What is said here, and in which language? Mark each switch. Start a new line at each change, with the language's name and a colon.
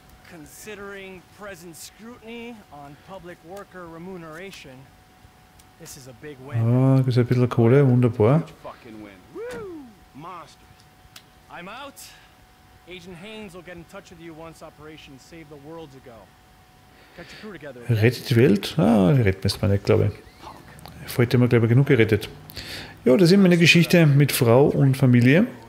English: Considering present scrutiny on public worker remuneration.
German: Ah, das ist ein bisschen Kohle, wunderbar.
English: preposterous. I'm out. Agent Haynes will get in touch with you once Operation Save the World's ago. Get your crew together.
German: Rettet die Welt? Ah, retten müsste man nicht, glaube ich. Vorher hätte man, glaube ich, genug gerettet. Ja, das ist immer eine Geschichte mit Frau und Familie.